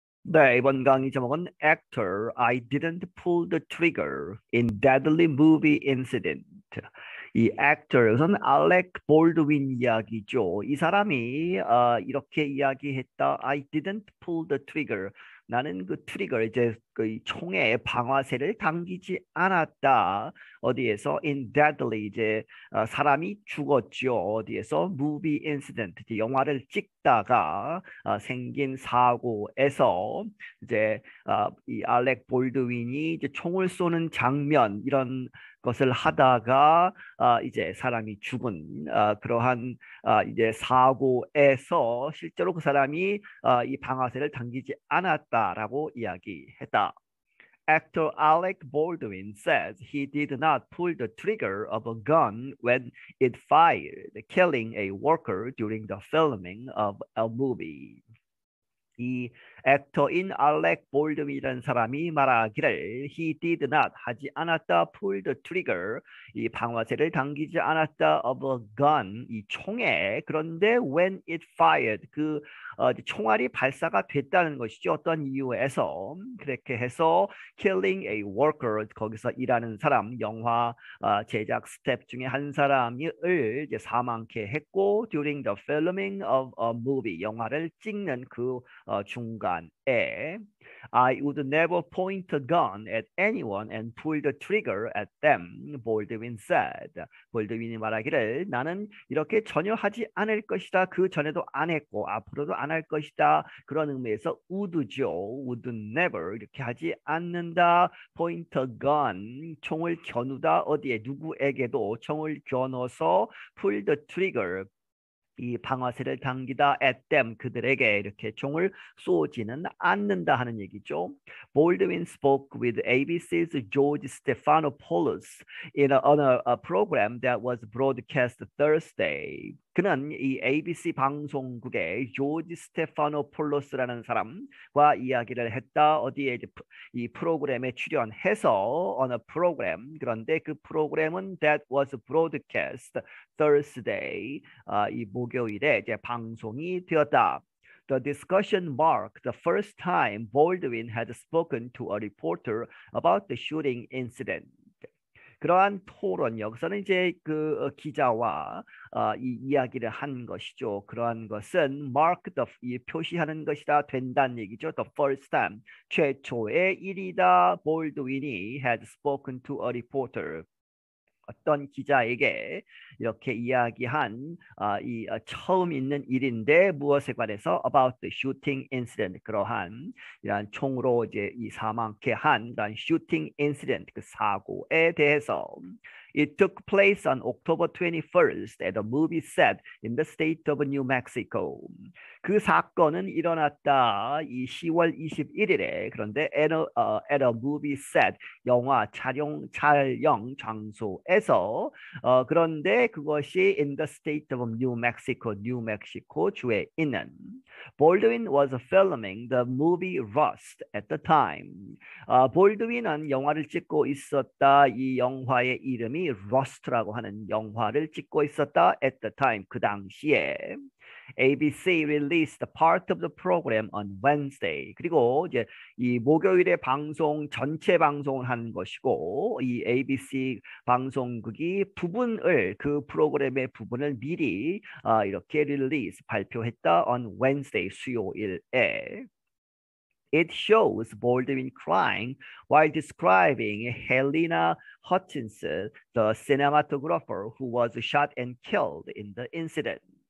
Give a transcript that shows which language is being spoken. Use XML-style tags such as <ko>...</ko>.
<ko>네, 이번 강의 제목은</ko> <en>Actor, I didn't pull the trigger in deadly movie incident.</en> <ko>이 Actor에서는 알렉 볼드윈 이야기죠. 이 사람이 이렇게 이야기했다.</ko> <en>I didn't pull the trigger.</en> <ko>나는 그 트리거, 이제 그 총에 방아쇠를 당기지 않았다. 어디에서?</ko> <en>In deadly,</en> <ko>이제 사람이 죽었죠. 어디에서?</ko> <en>Movie incident,</en> <ko>이제 영화를 찍다가 생긴 사고에서 이제 이 알렉 볼드윈이 이제 총을 쏘는 장면, 이런 것을 하다가 이제 사람이 죽은 그러한 이제 사고에서 실제로 그 사람이 이 방아쇠를 당기지 않았다라고 이야기했다.</ko> <en>Actor Alec Baldwin says he did not pull the trigger of a gun when it fired, killing a worker during the filming of a movie.</en> <ko>이 액터인 알렉 볼드윈이라는 사람이 말하기를</ko> <en>he did not</en> <ko>하지 않았다</ko> <en>pull the trigger</en> <ko>이 방아쇠를 당기지 않았다</ko> <en>of a gun</en> <ko>이 총에 그런데</ko> <en>when it fired</en> <ko>그 총알이 발사가 됐다는 것이죠 어떤 이유에서 그렇게 해서</ko> <en>killing a worker</en> <ko>거기서 일하는 사람 영화 제작 스태프 중에 한 사람을 이제 사망케 했고</ko> <en>during the filming of a movie</en> <ko>영화를 찍는 그 중간에</ko> <en>I would never point a gun at anyone and pull the trigger at them, Baldwin said.</en> <ko>볼드윈이 말하기를 나는 이렇게 전혀 하지 않을 것이다. 그 전에도 안 했고 앞으로도 안할 것이다. 그런 의미에서 would죠.</ko> <en>Would never</en> <ko>이렇게 하지 않는다.</ko> <en>Point a gun</en> <ko>총을 겨누다 어디에 누구에게도 총을 겨눠서</ko> <en>pull the trigger.</en> <ko>이 방아쇠를 당기다</ko> <en>at them</en> <ko>그들에게 이렇게 총을 쏘지는 않는다 하는 얘기죠.</ko> <en>Baldwin spoke with ABC's George Stephanopoulos in on a program that was broadcast Thursday.</en> <ko>그는 이 ABC 방송국의 조지 스테파노폴로스라는 사람과 이야기를 했다. 어디에 이 프로그램에 출연해서</ko> <en>on a program</en> <ko>그런데 그 프로그램은</ko> <en>that was broadcast Thursday</en> <ko>이 목요일에 이제 방송이 되었다.</ko> <en>The discussion marked the first time Baldwin had spoken to a reporter about the shooting incident.</en> <ko>그러한 토론, 여기서는 이제 그 기자와 이 이야기를 한 것이죠. 그러한 것은</ko> <en>mark the,</en> <ko>이 표시하는 것이다, 된다는 얘기죠.</ko> <en>The first time,</en> <ko>최초의 일이다,</ko> <en>Baldwin이 had spoken to a reporter.</en> <ko>어떤 기자에게 이렇게 이야기한 이 처음 있는 일인데 무엇에 관해서</ko> <en>about the shooting incident</en> <ko>그러한 이러한 총으로 이제 이 사망케 한 이러한</ko> <en>shooting incident</en> <ko>그 사고에 대해서</ko> <en>It took place on October 21st at a movie set in the state of New Mexico.</en> <ko>그 사건은 일어났다. 이 10월 21일에 그런데</ko> <en>at a movie set</en> <ko>영화 촬영 장소에서 그런데 그것이</ko> <en>in the state of New Mexico, New Mexico</en> <ko>주에 있는</ko> <en>Baldwin was filming the movie Rust at the time.</en> <ko>Baldwin은 영화를 찍고 있었다. 이 영화의 이름이 Rust라고 하는 영화를 찍고 있었다.</ko> <en>At the time,</en> <ko>그 당시에.</ko> <en>ABC released part of the program on Wednesday.</en> <ko>그리고 이제 이 목요일에 방송 전체 방송을 한 것이고 이 ABC 방송국이 부분을 그 프로그램의 부분을 미리 이렇게 release 발표했다</ko> <en>on Wednesday</en> <ko>수요일에.</ko> <en>It shows Baldwin crying while describing Helena Hutchins, the cinematographer who was shot and killed in the incident.</en>